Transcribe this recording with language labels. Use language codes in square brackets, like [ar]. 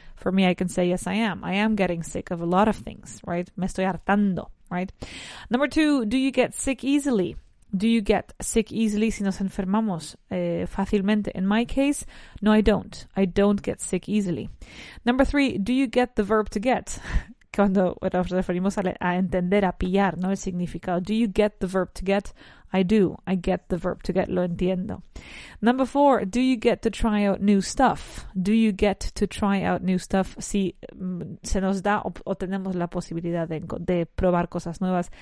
[en] For me, I can say, yes, I am. I am getting sick of a lot of things, right? [es] Me estoy hartando, [en] right? Number 2, do you get sick easily? Do you get sick easily [es] si nos enfermamos fácilmente? [en] In my case, no, I don't. I don't get sick easily. Number 3, do you get the verb to get? [es] Cuando nos referimos a entender, a pillar, ¿no? El significado. [en] Do you get the verb to get? I do. I get the verb to get. [es] Lo entiendo. [en] Number 4. Do you get to try out new stuff? Do you get to try out new stuff? [es] Si se nos da o tenemos la posibilidad de probar cosas nuevas.